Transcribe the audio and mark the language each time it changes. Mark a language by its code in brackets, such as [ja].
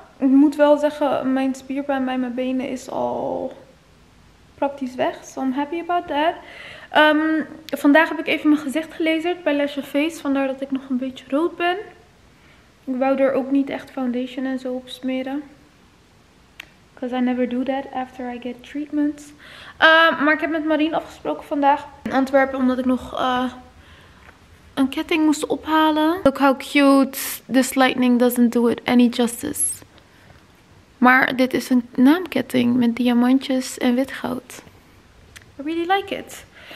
[nl] Ik moet wel zeggen, mijn spierpijn bij mijn benen is al praktisch weg. [en] So I'm happy about that. [nl] Vandaag heb ik even mijn gezicht gelaserd bij Leisure Face. Vandaar dat ik nog een beetje rood ben. Ik wou er ook niet echt foundation en zo op smeren. [en] Because I never do that after I get treatments. [nl] Maar ik heb met Marien afgesproken vandaag in Antwerpen. Omdat ik nog een ketting moest ophalen. [en] Look how cute. This lightning doesn't do it any justice. [nl] Maar dit is een naamketting met diamantjes en wit goud. [en] I really like it.